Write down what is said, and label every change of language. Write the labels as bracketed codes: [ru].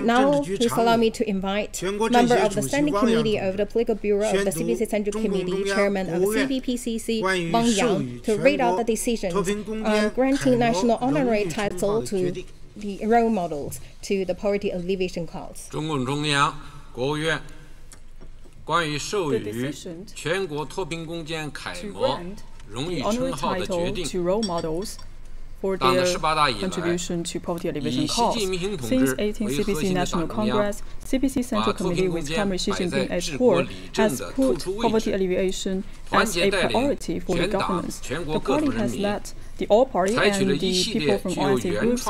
[en] and now, please allow me to invite member of the Standing Committee of the Political Bureau of the CPC Central Committee, Chairman of the CPPCC, Wang Yang, to read out the decision on granting national honorary title to the role models to the poverty alleviation cause. [zh] 中共中央国务院 关于授予全国脱贫攻坚楷模荣誉称号的决定, [en] to role models for their contribution to poverty alleviation cause. Since 18th CPC National Congress, CPC Central Committee with Comrade Xi Jinping as core has put poverty alleviation as a priority for the governments. The party has led the All Party and the people from all ethnic groups.